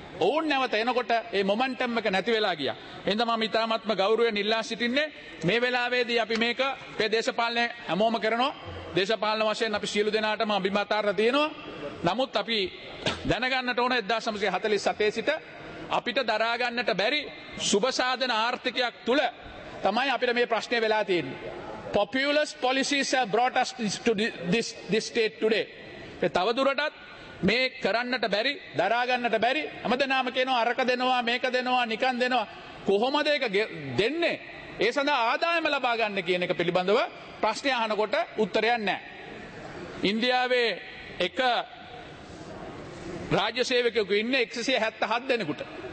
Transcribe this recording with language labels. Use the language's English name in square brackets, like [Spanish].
[Sinhala] ඔවුන් නැවත එනකොට ඒ මොමන්ටම් එක නැති වෙලා ගියා. එහෙනම් මම ඉතාමත්ම ගෞරවයෙන් ඉල්ලා සිටින්නේ මේ වෙලාවේදී අපි මේක දේශපාලනය හැමෝම කරනවා. දේශපාලන වශයෙන් අපි සියලු දෙනාටම අභිමතාර්ථ තියෙනවා. නමුත් අපි දැනගන්නට ඕන 1947 සිට අපිට දරා ගන්නට බැරි සුබසාධන ආර්ථිකයක් තුල තමයි අපිට මේ ප්‍රශ්නේ වෙලා තියෙන්නේ. [English] Populist policies have brought us to this state today. [Sinhala] ඒ තවදුරටත් මේ කරන්නට බැරි දරා ගන්නට බැරි හැමදෙනාම කියනවා අරක දෙනවා මේක දෙනවා නිකන් දෙනවා කොහොමද ඒක දෙන්නේ ඒ සඳහා ආදායම ලබා ගන්න කියන එක පිළිබඳව ප්‍රශ්න අහනකොට උත්තරයක් නැහැ. ඉන්දියාවේ එක රාජ්‍ය සේවකයෙකු ඉන්නේ 177 දෙනෙකුට.